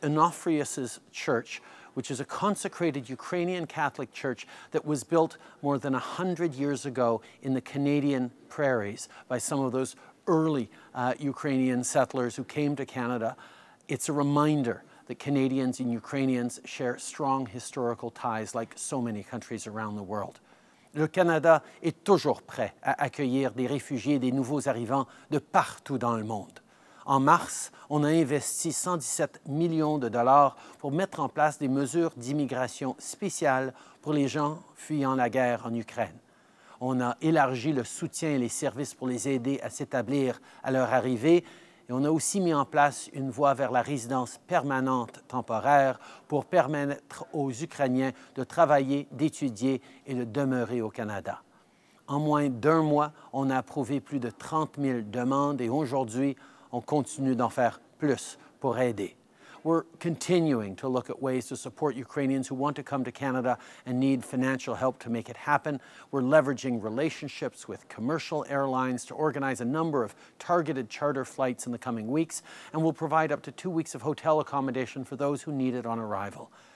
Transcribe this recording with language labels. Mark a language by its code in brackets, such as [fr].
[en] Onofrius' Church, which is a consecrated Ukrainian Catholic church that was built more than 100 years ago in the Canadian prairies by some of those early Ukrainian settlers who came to Canada. It's a reminder that Canadians and Ukrainians share strong historical ties like so many countries around the world. [fr] Le Canada est toujours prêt à accueillir des réfugiés, des nouveaux arrivants de partout dans le monde. En mars, on a investi 117 millions de dollars pour mettre en place des mesures d'immigration spéciales pour les gens fuyant la guerre en Ukraine. On a élargi le soutien et les services pour les aider à s'établir à leur arrivée. Et on a aussi mis en place une voie vers la résidence permanente temporaire pour permettre aux Ukrainiens de travailler, d'étudier et de demeurer au Canada. En moins d'un mois, on a approuvé plus de 30 000 demandes et aujourd'hui, on continue d'en faire plus pour aider. [en] We're continuing to look at ways to support Ukrainians who want to come to Canada and need financial help to make it happen. We're leveraging relationships with commercial airlines to organize a number of targeted charter flights in the coming weeks, and we'll provide up to 2 weeks of hotel accommodation for those who need it on arrival.